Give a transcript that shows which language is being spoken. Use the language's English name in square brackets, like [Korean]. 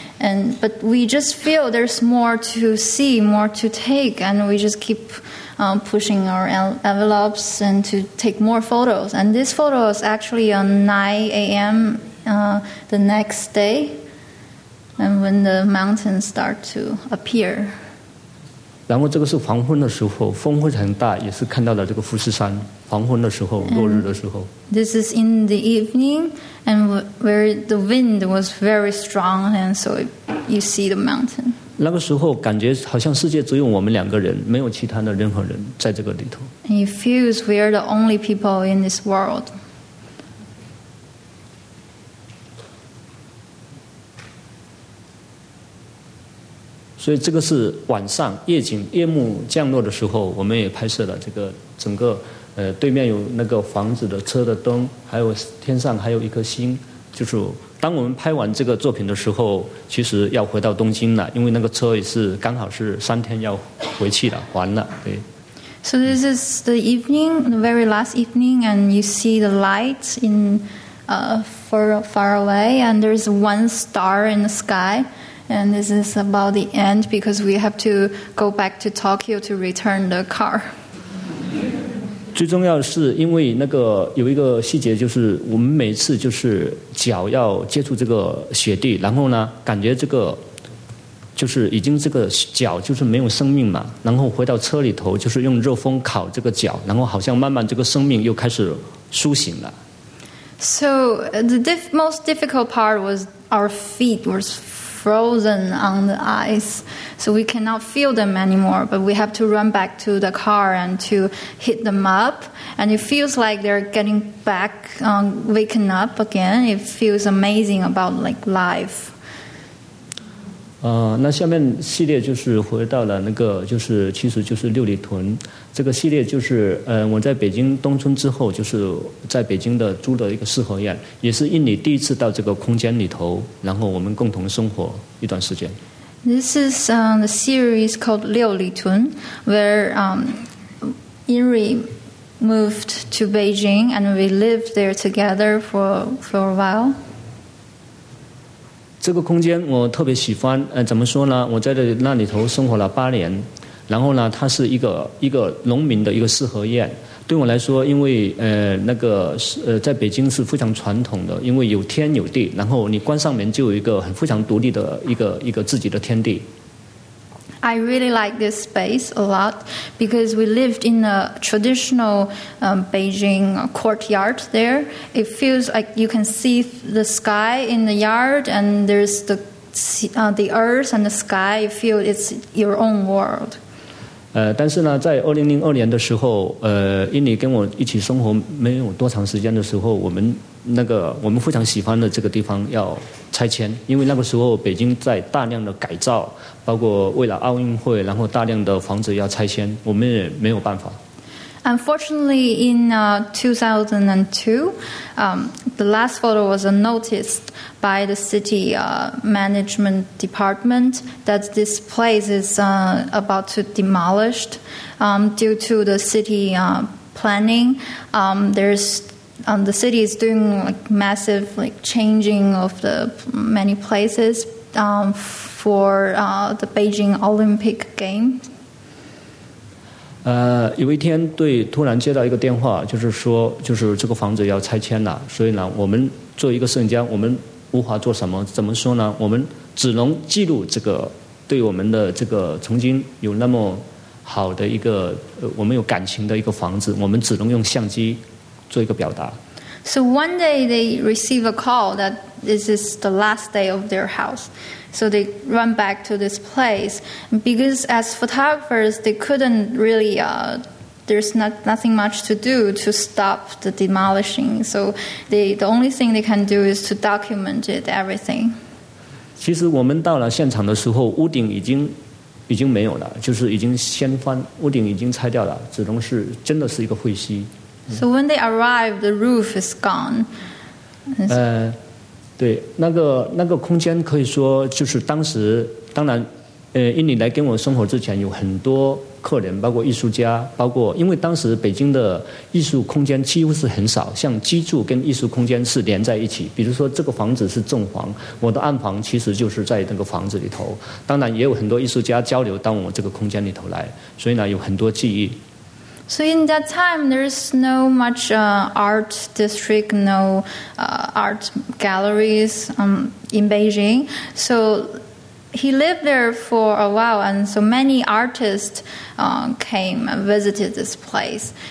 [English] But we just feel there's more to see, more to take, and we just keep pushing our envelopes and to take more photos. And this photo is actually on 9 a.m. The next day, and when the mountains start to appear. [Chinese] 然后这个是黄昏的时候，风非常大，也是看到了这个富士山。黄昏的时候，落日的时候。 [English] And、this is in the evening, and where the wind was very strong, and so you see the mountain. [Chinese] 那个时候感觉好像世界只有我们两个人，没有其他的任何人在这个里头。 [English] And it feels we are the only people in this world. [Chinese] 所以这个是晚上夜景，夜幕降落的时候，我们也拍摄了这个整个，对面有那个房子的车的灯，还有天上还有一颗星。就是当我们拍完这个作品的时候，其实要回到东京了，因为那个车也是刚好是3天要回去了，还了。对。 [English] So this is the evening, the very last evening, and you see the lights in, far away, and there's one star in the sky. And this is about the end because we have to go back to Tokyo to return the car. [Chinese] 最重要是因为那个有一个细节，就是我们每次就是脚要接触这个雪地，然后呢，感觉这个就是已经这个脚就是没有生命嘛，然后回到车里头就是用热风烤这个脚，然后好像慢慢这个生命又开始苏醒了。 [English] So the most difficult part was our feet were frozen on the ice, so we cannot feel them anymore, but we have to run back to the car and to hit them up, and it feels like they're getting back, waking up again. It feels amazing about like life. [Chinese] 那下面系列就是回到了那个，就是其实就是六里屯这个系列，就是我在北京东村之后，就是在北京的租的一个四合院，也是印尼第一次到这个空间里头，然后我们共同生活一段时间。 [English] This is the series called 六里屯 where Inri moved to Beijing and we lived there together for a while. [Chinese] 这个空间我特别喜欢，怎么说呢？我在那里头生活了8年，然后呢，它是一个农民的一个四合院。对我来说，因为那个在北京是非常传统的，因为有天有地，然后你关上门就有一个很非常独立的一个自己的天地。 [English] I really like this space a lot because we lived in a traditional Beijing courtyard there. It feels like you can see the sky in the yard and there's the earth and the sky. You feel it's your own world. [Chinese] 但是呢，在2002年的时候，印尼跟我一起生活没有多长时间的时候，我们非常喜欢的这个地方要拆迁，因为那个时候北京在大量的改造，包括为了奥运会，然后大量的房子要拆迁，我们也没有办法。 [English] Unfortunately, in 2002, the last photo was noticed by the city management department that this place is about to be demolished due to the city planning. The city is doing massive changing of the many places for the Beijing Olympic Games. [Chinese] 有一天对突然接到一个电话，就是说就是这个房子要拆迁了，所以呢我们做一个摄影家，我们无法做什么，怎么说呢，我们只能记录这个对我们的这个曾经有那么好的一个我们有感情的一个房子，我们只能用相机做一个表达。 [English] So one day they receive a call that this is the last day of their house. So they run back to this place. Because as photographers, they couldn't really, there's nothing much to do to stop the demolishing. So the only thing they can do is to document it, everything. [Chinese] 其实我们到了现场的时候，屋顶已经没有了，就是已经掀翻，屋顶已经拆掉了，只能是真的是一个废墟。 [English] So when they arrive, the roof is gone. [Chinese] 对，那个空间可以说就是当时，当然，印尼来跟我生活之前有很多客人，包括艺术家，包括因为当时北京的艺术空间几乎是很少，像居住跟艺术空间是连在一起。比如说这个房子是正房，我的暗房其实就是在那个房子里头。当然也有很多艺术家交流到我这个空间里头来，所以呢有很多记忆。 [English] So in that time, there is no much art district, no art galleries in Beijing. So he lived there for a while, and so many artists came and visited this place.